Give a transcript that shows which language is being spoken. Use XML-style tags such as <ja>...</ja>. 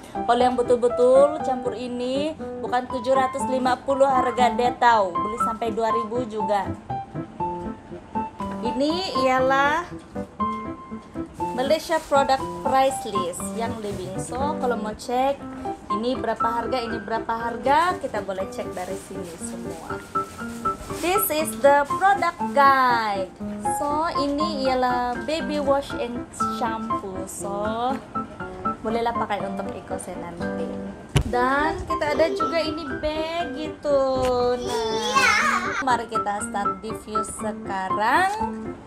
<ms>Kalau yang betul-betul campur ini bukan 750 harga dia tahu, beli sampai 2000 juga. Ini ialah Malaysia</ms> <en>product price list</en> <ms>yang living. So, kalau mau cek ini berapa harga, kita boleh cek dari sini semua.</ms> <en>This is the product guide.</en> <ms>So, ini ialah</ms> <en>baby wash and shampoo.</en> <ms>So, bolehlah pakai untuk Eko saya nanti. Dan kita ada juga ini bag gitu. Nah, mari kita</ms> <en>start diffuse</en> <ms>sekarang.</ms>